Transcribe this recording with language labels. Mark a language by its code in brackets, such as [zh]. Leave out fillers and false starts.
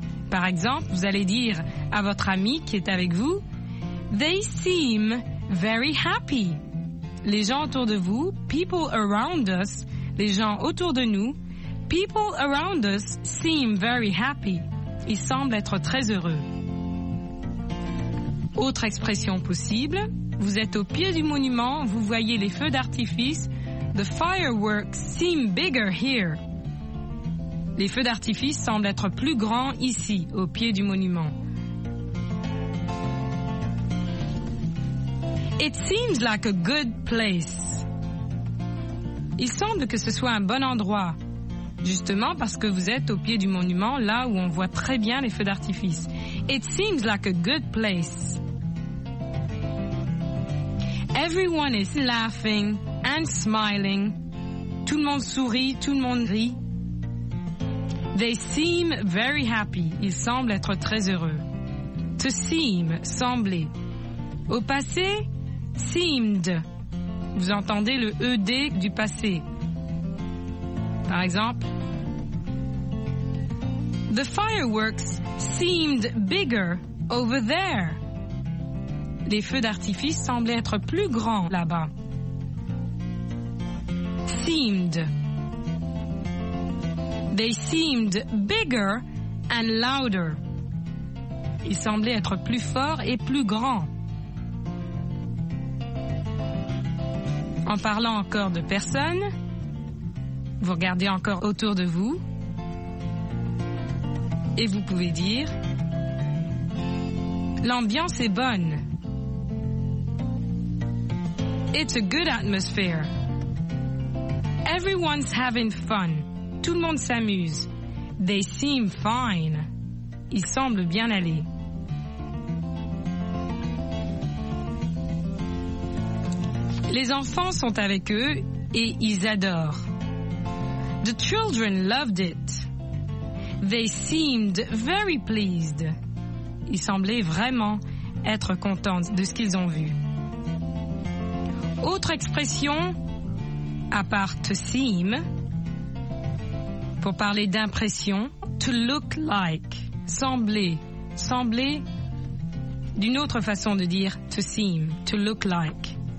[fr] Par exemple, vous allez dire à votre ami qui est avec vous, « [en] They seem very happy. [fr] » Les gens autour de vous, « [en] People around us [fr] », les gens autour de nous, « [en] People around us seem very happy. [fr] » Ils semblent être très heureux. Autre expression possible, vous êtes au pied du monument, vous voyez les feux d'artifice. [en] The fireworks seem bigger here. [fr] Les feux d'artifice semblent être plus grands ici, au pied du monument. [en] It seems like a good place. [fr] Il semble que ce soit un bon endroit, justement parce que vous êtes au pied du monument, là où on voit très bien les feux d'artifice. [en] It seems like a good place. Everyone is laughing and smiling. [fr] Tout le monde sourit, tout le monde rit. [en] They seem very happy. [fr] Ils semblent être très heureux. To seem, sembler. Au passé, seemed. Vous entendez le ED du passé. Par exemple, [en] the fireworks seemed bigger over there. [fr] Les feux d'artifice semblaient être plus grands là-bas. [en] Seemed. They seemed bigger and louder. [fr] Ils semblaient être plus forts et plus grands. En parlant encore de personnes, vous regardez encore autour de vous et vous pouvez dire l'ambiance est bonne. [en] It's a good atmosphere. Everyone's having fun. [fr] Tout le monde s'amuse. [en] They seem fine. [fr] Ils semblent bien aller. Les enfants sont avec eux et ils adorent. [en] The children loved it. They seemed very pleased. [fr] Ils semblaient vraiment être contents de ce qu'ils ont vu. Autre expression, à part to seem, pour parler d'impression, to look like, sembler, sembler, d'une autre façon de dire to seem, to look like.